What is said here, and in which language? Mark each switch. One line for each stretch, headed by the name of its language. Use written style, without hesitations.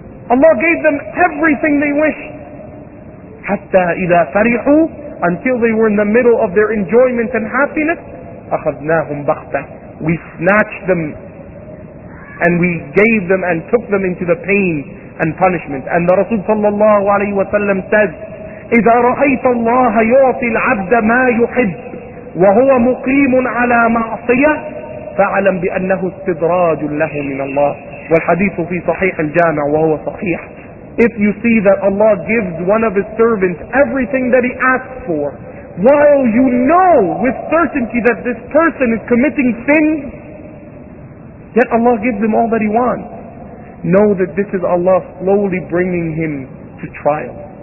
English: Allah gave them everything they wished.
Arabic: حَتَّى إِذَا فَرِحُوا,
English: until they were in the middle of their enjoyment and happiness,
Arabic: أَخَذْنَاهُمْ بَغْتَةً,
English: we snatched them and we gave them and took them into the pain and punishment. And the Rasul ﷺ says,
Arabic: إذا رأيت الله يعطي العبد ما يحب وهو مقيم على معصية فاعلم بأنه استدراج له من الله. والحديث في صحيح الجامع وهو صحيح.
English: If you see that Allah gives one of his servants everything that he asks for, while you know with certainty that this person is committing sins, yet Allah gives him all that he wants, know that this is Allah slowly bringing him to trial.